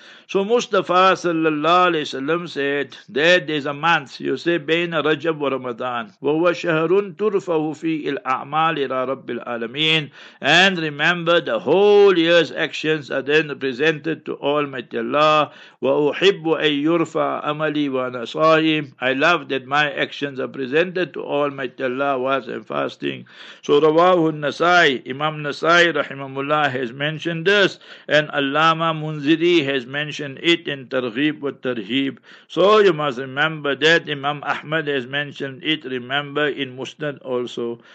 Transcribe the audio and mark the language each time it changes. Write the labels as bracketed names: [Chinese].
[English] So Mustafa sallallahu alayhi wa sallam said that there's a month, you say, [Arabic] بين رجب ورمضان وهو شهر ترفه في الأعمال إلى رب العالمين. [English] And remember, the whole year's actions are then presented to Almighty Allah. [Arabic] وأحب أن يرفع أملي وأنا صائم. [English] I love that my actions are presented to Almighty Allah whilst I'm fasting. So [Arabic] رواه النسائي, [English] Imam Nasai [Arabic] رحمه الله [English] has mentioned this, and Allama Munziri has mentioned it in ترغيب والترهيب. So you must remember that Imam Ahmad has mentioned it, remember, in Musnad also.